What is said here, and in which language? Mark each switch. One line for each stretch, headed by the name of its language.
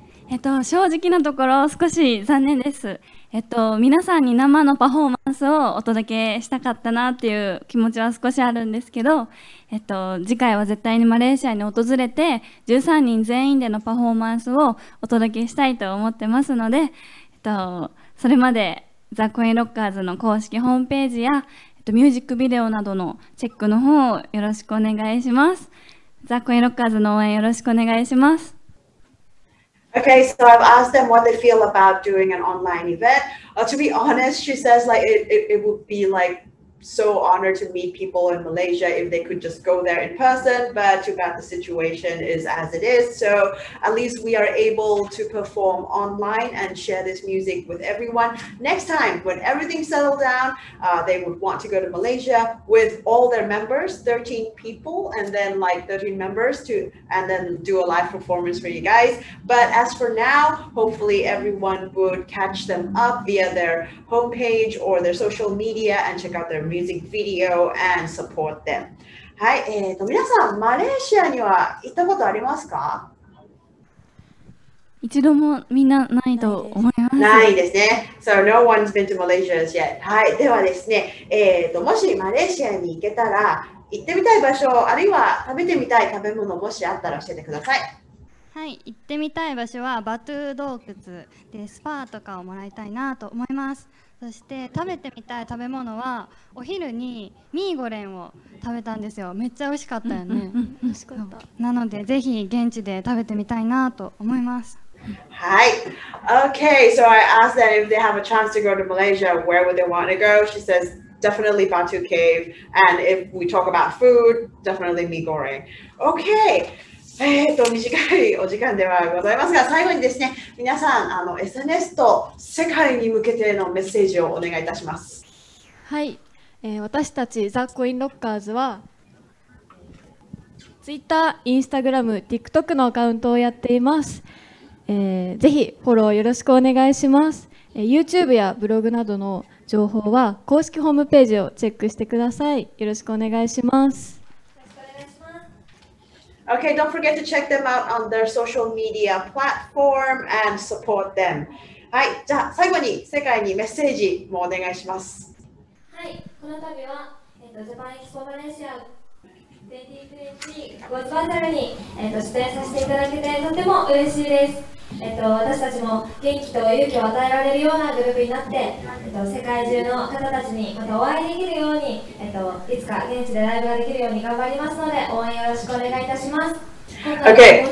Japanese: 正直なところ、少し残念です。皆さんに生のパフォーマンスをお届けしたかったなっていう気持ちは少しあるんですけど、次回は絶対にマレーシアに訪れて13人全員でのパフォーマンスをお届けしたいと思ってますので、それまでザ・コインロッカーズの公式ホームページや、ミュージックビデオなどのチェックの方をよろしくお願いします。ザ・コインロッカーズの応援よろしくお願いします。
English: Okay, so I've asked them what they feel about doing an online event. To be honest, she says like it would be like so honored to meet people in Malaysia if they could just go there in person, but too bad the situation is as it is. So at least we are able to perform online and share this music with everyone. Next time, when everything settles down, they would want to go to Malaysia with all their members, 13 people, and then like 13 members to, and then do a live performance for you guys. But as for now, hopefully everyone would catch them up via their homepage or their social media and check out their music video and support them.
Japanese: はい、皆さん、マレーシアには行ったことありますか？一度もみんなないと思います。ないですね。
English: So no one's been to Malaysia yet.
Japanese: はい、ではですね、もしマレーシアに行けたら、行ってみたい場所、あるいは食べてみたい食べ物もしあったら教えてください。はい、行ってみたい場所はバトゥー洞窟でスパーとかをもらいたいなと思います。そして食べてみたい食べ物はお昼にミーゴレンを食べたんですよ。めっちゃ美味しかったよね。美味しかった。なのでぜひ現地で食べてみたいなと思います。
English: はい、 Okay, so I asked that if they have a chance to go to Malaysia, where would they want to go? She says definitely Batu Cave, and if we talk about food, definitely Mee Goreng. Okay.
Japanese: 短いお時間ではございますが、最後にですね、皆さん、SNS と世界に向けてのメッセージをお願いいたします。はい、私たちザ・コインロッカーズは Twitter、Instagram、TikTok のアカウントをやっています。ぜひフォローよろしくお願いします。YouTube やブログなどの情報は公式ホームページをチェックしてください。よろしくお願いします。
English: Okay, don't forget to check them out on their social media platform and support them.
Japanese: はい、じゃあ最後に世界にメッセージもお願いします。はい、この度は、ジャパンエキスポマレーシア2020ゴッドバーチャルに、出演させていただけてとても嬉しいです。私たちも元気と勇気を与えられるようなグループになって、世界中の方たちにまたお会いできるように、いつか現地でライブができるように頑張りますので応援よろしくお願いいたします。